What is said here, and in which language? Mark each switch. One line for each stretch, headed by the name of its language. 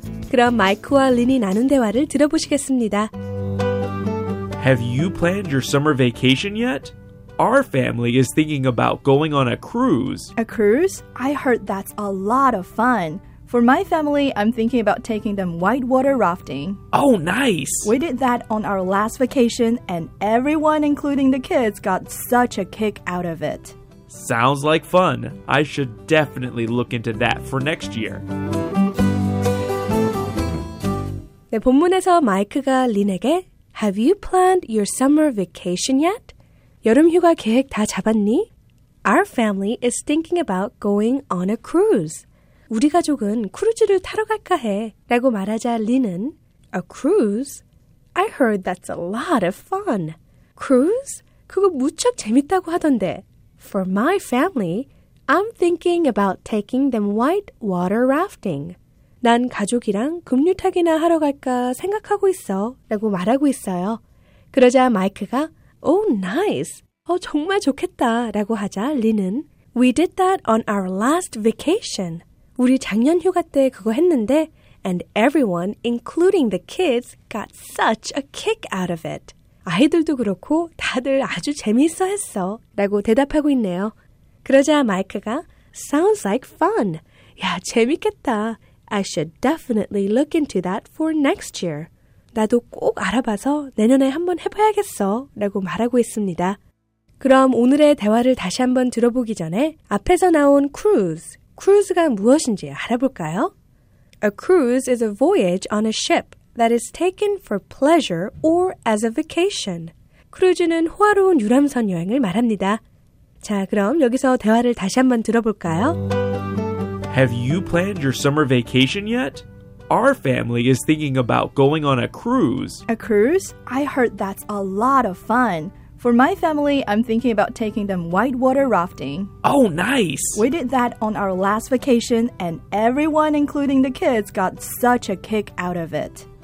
Korean: 그럼 마이크와 린이 나눈 대화를 들어보시겠습니다.
English: Have you planned your summer vacation yet? Our family is thinking about going on a cruise. A cruise? I heard that's a lot of fun. For my family, I'm thinking about taking them whitewater rafting. Oh, nice! We did that on our last vacation, and everyone, including the kids, got such a kick out of it. Sounds like fun. I should definitely look into that for next year.
Korean: 네, 본문에서 마이크가 린에게
English: Have you planned your summer vacation yet?
Korean: 여름 휴가 계획 다 잡았니?
English: Our family is thinking about going on a cruise.
Korean: 우리 가족은 크루즈를 타러 갈까 해. 라고 말하자 린은
English: A cruise? I heard that's a lot of fun. Cruise?
Korean: 그거 무척 재밌다고 하던데.
English: For my family, I'm thinking about taking them white water rafting.
Korean: 난 가족이랑 급류타기나 하러 갈까 생각하고 있어 라고 말하고 있어요. 그러자 마이크가
English: Oh, nice!
Korean: 정말 좋겠다 라고 하자 린은
English: We did that on our last vacation.
Korean: 우리 작년 휴가 때 그거 했는데
English: And everyone, including the kids, got such a kick out of it.
Korean: 아이들도 그렇고 다들 아주 재미있어 했어 라고 대답하고 있네요. 그러자 마이크가
English: Sounds like fun.
Korean: 야, 재밌겠다.
English: I should definitely look into that for next year.
Korean: 나도 꼭 알아봐서 내년에 한번 해봐야겠어 라고 말하고 있습니다. 그럼 오늘의 대화를 다시 한번 들어보기 전에 앞에서 나온 cruise, cruise가 무엇인지 알아볼까요?
English: A cruise is a voyage on a ship. That is taken for pleasure or as a vacation.
Korean: 크루즈는 호화로운 유람선 여행을 말합니다. 자, 그럼 여기서 대화를 다시 한번 들어볼까요?
English: Have you planned your summer vacation yet? Our family is thinking about going on a cruise. A cruise? I heard that's a lot of fun. For my family, I'm thinking about taking them whitewater rafting. Oh, nice! We did that on our last vacation, and everyone, including the kids, got such a kick out of it.